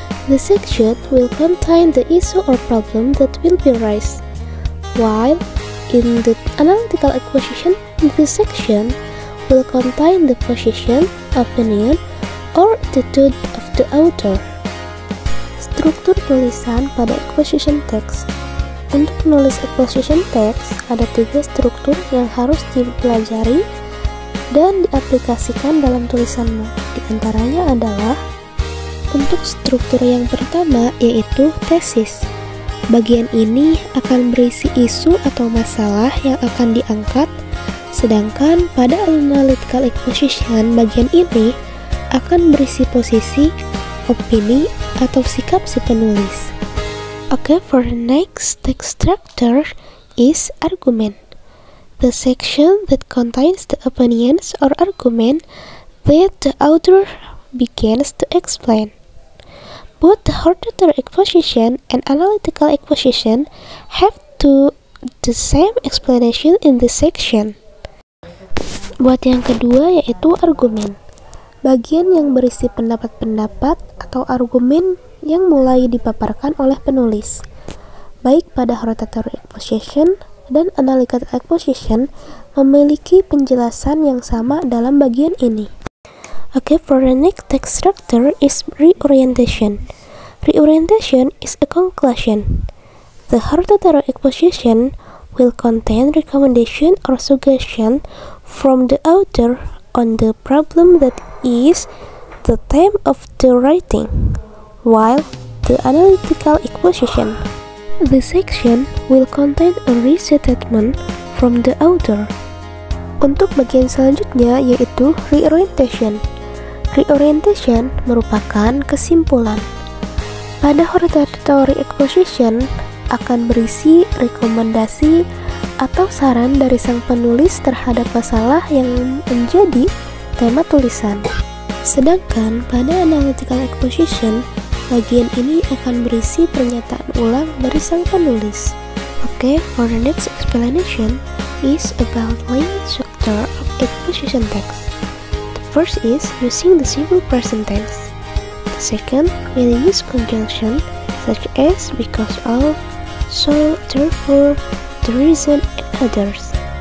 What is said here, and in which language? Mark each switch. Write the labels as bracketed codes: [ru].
[en] The section will contain the issue or problem that will be raised. While in the analytical exposition, the section will contain the position, opinion, or attitude of the author. [id] Struktur tulisan pada exposition text. Untuk menulis exposition text, ada tiga struktur yang harus dipelajari dan diaplikasikan dalam tulisanmu. Di antaranya adalah untuk struktur yang pertama yaitu thesis. Bagian ini akan berisi isu atau masalah yang akan diangkat. Sedangkan pada analytical exposition, bagian ini akan berisi posisi, opini, atau sikap si penulis. [en] Okay, for the next text structure is argument. The section that contains the opinions or argument that the author begins to explain. Both the auditory exposition and analytical exposition have to the same explanation in this section. [id] Buat yang kedua yaitu argumen. Bagian yang berisi pendapat-pendapat atau argumen yang mulai dipaparkan oleh penulis. Baik pada auditory exposition dan analytical exposition memiliki penjelasan yang sama dalam bagian ini. [en] Okay, for the next text structure is reorientation. Reorientation is a conclusion. The auditory exposition will contain recommendation or suggestion from the author on the problem that is the theme of the writing, while the analytical exposition. The section will contain a restatement from the author. [id] Untuk bagian selanjutnya yaitu reorientation. Reorientation merupakan kesimpulan. Pada auditory exposition akan berisi rekomendasi atau saran dari sang penulis terhadap masalah yang menjadi tema tulisan. Sedangkan pada analytical exposition, bagian ini akan berisi pernyataan ulang dari sang penulis. [en] Okay, for the next explanation is about line structure of exposition text. The first is using the simple present tense. The second, we'll use conjunction such as because of, so, therefore, the reason, and others.